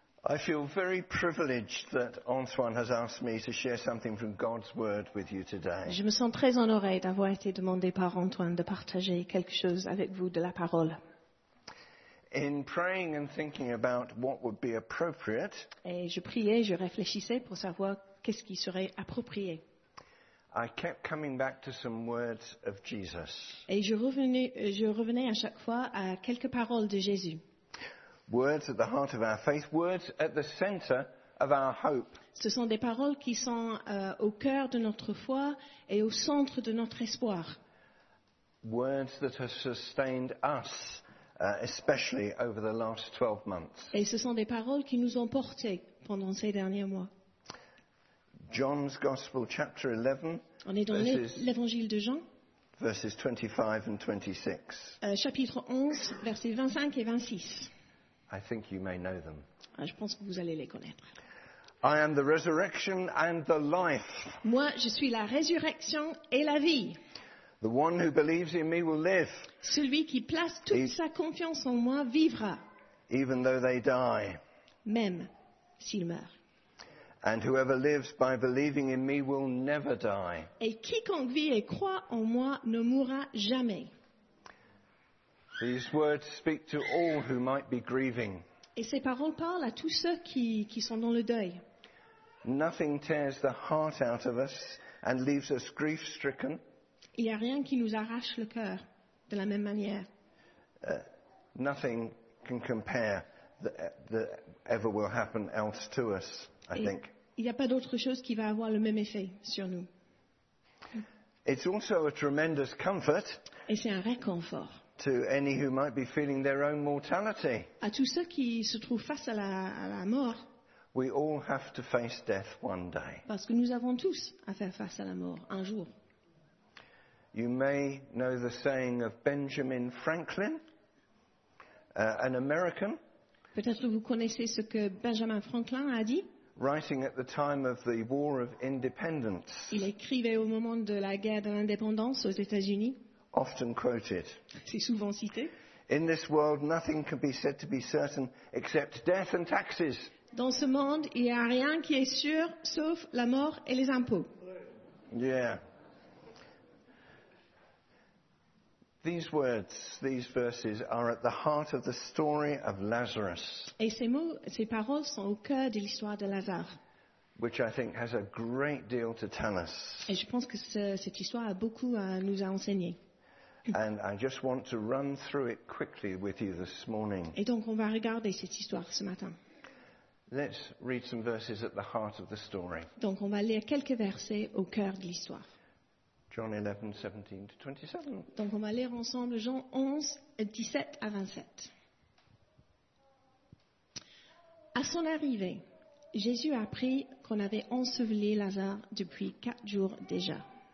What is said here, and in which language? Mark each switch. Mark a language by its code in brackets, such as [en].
[en] I feel very privileged that Antoine has asked me to share something from God's Word with you today. [fr] Je me sens très honoré d'avoir été demandé par Antoine de partager quelque chose avec vous de la parole. [en] In praying and thinking about what would be appropriate, [fr] et je priais, je réfléchissais pour savoir qu'est-ce qui serait approprié. [en] I kept coming back to some words of Jesus. [fr] Et je revenais à chaque fois à quelques paroles de Jésus. [en] Words at the heart of our faith, words at the center of our hope. [fr] Ce sont des paroles qui sont au cœur de notre foi et au centre de notre espoir. [en] Words that have sustained us, especially over the last 12 months. [fr] Et ce sont des paroles qui nous ont portés pendant ces derniers mois. [en] John's Gospel, chapter 11. [fr] On est dans l'Évangile de Jean. [en] Verses 25 and 26. [fr] Chapitre 11, versets 25 et 26. [en] I think you may know them. [fr] Je pense que vous allez les connaître. [en] I am the resurrection and the life. [fr] Moi, je suis la résurrection et la vie. [en] The one who believes in me will live. [fr] Celui qui place toute sa confiance en moi vivra. [en] Even though they die. [fr] Même s'il meurt. [en] And whoever lives by believing in me will never die. [fr] Et quiconque vit et croit en moi ne mourra jamais. [en] These words speak to all who might be grieving. [fr] Et ces paroles parlent à tous ceux qui sont dans le deuil. [en] Nothing tears the heart out of us and leaves us grief-stricken. [fr] Il n'y a rien qui nous arrache le cœur de la même manière. [en] Nothing can compare that ever will happen else to us, I think. [fr] Il n'y a pas d'autre chose qui va avoir le même effet sur nous. [en] It's also a tremendous comfort. [fr] Et c'est un réconfort. [en] To any who might be feeling their own mortality. [fr] À tous ceux qui se trouvent face à la mort. [en] We all have to face death one day. [fr] Parce que nous avons tous à faire face à la mort un jour. [en] You may know the saying of Benjamin Franklin, an American. [fr] Peut-être que vous connaissez ce que Benjamin Franklin a dit. [en] Writing at the time of the War of Independence. [fr] Il écrivait au moment de la guerre de l'indépendance aux États-Unis. [en] Often quoted. [fr] C'est souvent cité. [en] In this world, nothing can be said to be certain except death and taxes. [fr] Dans ce monde, il n'y a rien qui est sûr sauf la mort et les impôts. [en] Yeah. These words, these verses are at the heart of the story of Lazarus. [fr] Et ces mots, ces paroles sont au cœur de l'histoire de Lazare. [en] Which I think has a great deal to tell us. [fr] Et je pense que cette histoire a beaucoup à nous enseigner. [en] And I just want to run through it quickly with you this morning. [fr] Et donc on va regarder cette histoire ce matin. [en] Let's read some verses at the heart of the story. [fr] Donc on va lire quelques versets au cœur de l'histoire. [en] John 11, 17 to 27. [fr] Donc on va lire ensemble Jean 11, 17 à 27. À son arrivée, Jésus apprit qu'on avait enseveli Lazare depuis 4 jours déjà.